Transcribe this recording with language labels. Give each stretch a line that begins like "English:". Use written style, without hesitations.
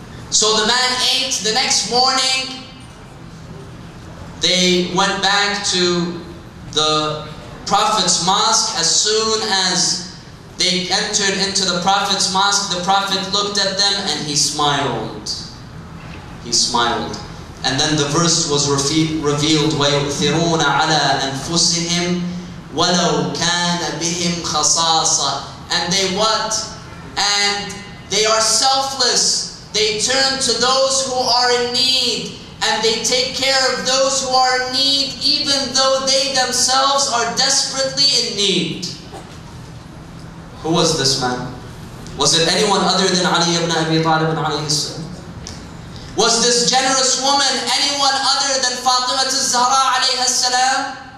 English: So the man ate. The next morning, they went back to the Prophet's mosque. As soon as they entered into the Prophet's mosque, the Prophet looked at them and he smiled. He smiled. And then the verse was revealed,
Arabic: وَيُؤْثِرُونَ عَلَىٰ أَنفُسِهِمْ وَلَوْ كَانَ بِهِمْ خَصَاصَةً.
English: And they what? And they are selfless. They turn to those who are in need. And they take care of those who are in need, even though they themselves are desperately in need. Who was this man? Was it anyone other than Ali ibn Abi Talib alayhi salam? Was this generous woman anyone other than Fatima al-Zahra alayhi salam?